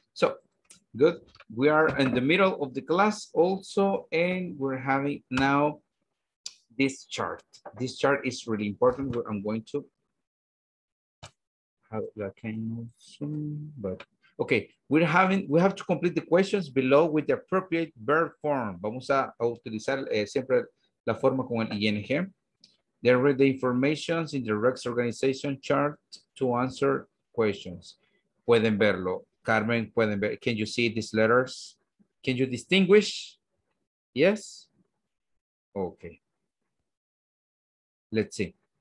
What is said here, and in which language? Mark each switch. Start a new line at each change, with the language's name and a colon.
English: So, good. We are in the middle of the class also, and we're having now this chart. This chart is really important. I'm going to have that soon, but okay. We have to complete the questions below with the appropriate verb form.
Spanish: Vamos a utilizar siempre la forma con el ing.
English: Then read the information in the Rex organization chart to answer questions.
Spanish: Pueden verlo.
English: Carmen,
Spanish: pueden ver.
English: Can you see these letters? Can you distinguish? Yes? Okay. Let's see.